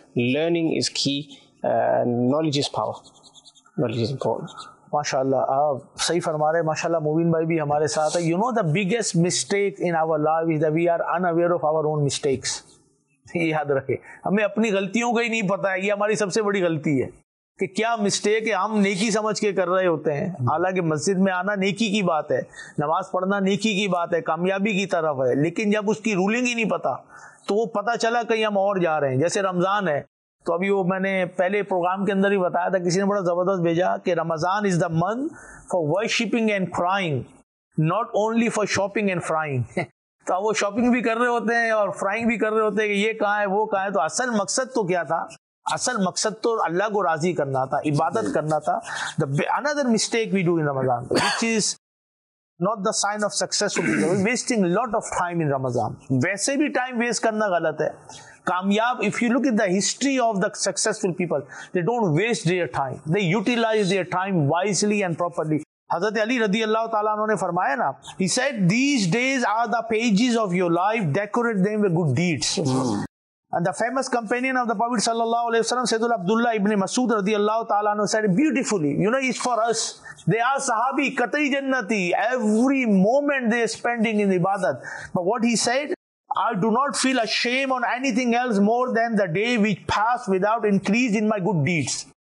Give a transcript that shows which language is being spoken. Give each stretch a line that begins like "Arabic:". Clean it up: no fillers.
English: Learning is key. Knowledge is power. Knowledge is important. MashaAllah.
Hindi: Sahi farmare, MashaAllah, Mubin bhai bhi humare saath hai.
English: You know the biggest mistake in our life is that we are unaware of our own mistakes.
Hindi: Yaad rakhe. Hume apni galtiyon ka hi nahi pata hai. Ye hamari sabse badi galti hai. कि क्या mistake है, हम नेकी समझ के कर रहे होते हैं. हालांकि मस्जिद में आना नेकी की बात है, नमाज पढ़ना नेकी की बात है, कामयाबी की तरफ है, लेकिन जब उसकी रूलिंग ही नहीं पता तो वो पता चला कहीं हम और जा रहे हैं. जैसे रमज़ान है, तो अभी वो मैंने पहले प्रोग्राम के अंदर ही बताया था, किसी ने बड़ा ज़बरदस्त भेजा कि
English: Ramzan is the month for worshipping and crying, not only for shopping and frying.
Hindi: तो वो शॉपिंग भी कर रहे होते हैं और फ्राइंग भी कर रहे होते हैं कि ये कहाँ है वो कहाँ है. तो असल मकसद तो क्या था, असल मकसद तो अल्लाह को राजी करना था, इबादत करना था.
English: The another mistake we do in Ramzan, which is not the sign of success, wasting lot of time in Ramzan.
Hindi: वैसे भी टाइम वेस्ट करना गलत है.
English: कामयाब, if you look in the history of the successful people, they don't waste their time, they utilise their time wisely and properly.
Hindi: हजरत अली रजी अल्लाह तआला ने फरमाया ना,
English: He said these days are the pages of your life, decorate them with good deeds. And the famous companion of the Prophet sallallahu alaihi wasallam, Sayyidul Abdullah ibn Masood radiallahu ta'ala, said beautifully, you know, it's for us. They are sahabi,
Hindi: katai jannati.
English: Every moment they are spending in ibadat. But what he said, I do not feel ashamed on anything else more than the day which passed without increase in my good deeds.